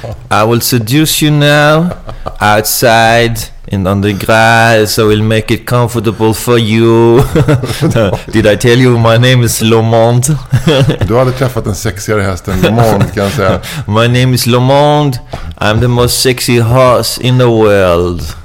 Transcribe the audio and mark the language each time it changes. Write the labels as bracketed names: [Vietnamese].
[English] I will seduce you now outside in on the grass. I will make it comfortable for you. Did I tell you my name is Lomond? [Swedish] Du har aldrig träffat en sexigare häst än Lomond, kan jag säga. [English] My name is Lomond. I'm the most sexy horse in the world.